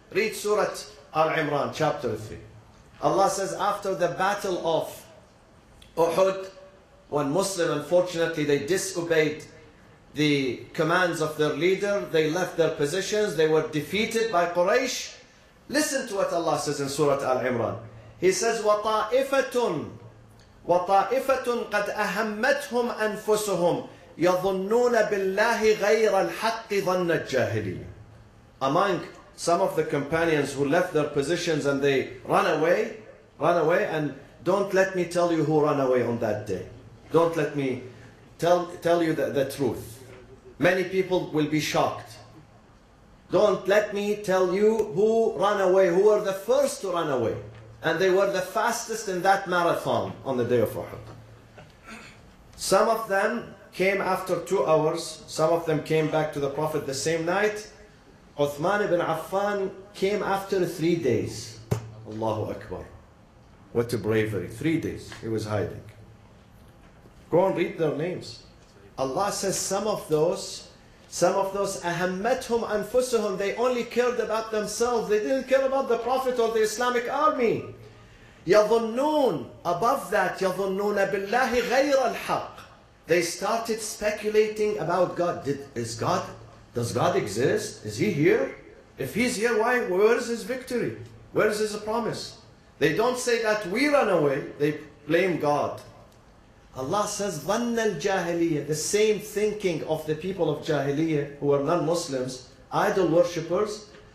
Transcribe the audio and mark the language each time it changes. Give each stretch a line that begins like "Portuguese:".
English: Read Surah Al-Imran, chapter 3. Allah says, after the battle of Uhud, when Muslims, unfortunately, they disobeyed the commands of their leader, they left their positions, they were defeated by Quraysh. Listen to what Allah says in Surah Al-Imran. He says,
Arabic: وَطَائِفَةٌ قَدْ أَهَمَّتْهُمْ أَنفُسُهُمْ يَظُنُّونَ بِاللَّهِ غَيْرَ الْحَقِّ ظَنَّ الْجَاهِلِيَّ.
English: Among some of the companions who left their positions and they run away, and don't let me tell you who ran away on that day. Don't let me tell you the truth. Many people will be shocked. Don't let me tell you who ran away, who were the first to run away. And they were the fastest in that marathon on the day of Uhud. Some of them came after 2 hours. Some of them came back to the Prophet the same night. Uthman ibn Affan came after 3 days. Allahu Akbar. What a bravery. 3 days he was hiding. Go and read their names. Allah says some of those,
Arabic: أَهَمَّتْهُمْ أَنفُسُهُمْ,
English: they only cared about themselves. They didn't care about the Prophet or the Islamic army.
Arabic: يَظُنُّونَ,
English: above that,
Arabic: يَظُنُّونَ بِاللَّهِ غَيْرَ الْحَقِّ.
English: They started speculating about God. Does God exist? Is he here? If he's here, why? Where is his victory? Where is his promise? They don't say that we run away. They blame God. Allah says,
Arabic: ظَنَّ الْجَاهِلِيَّةِ,
English: the same thinking of the people of Jahiliyyah who were non-Muslims, idol worshippers.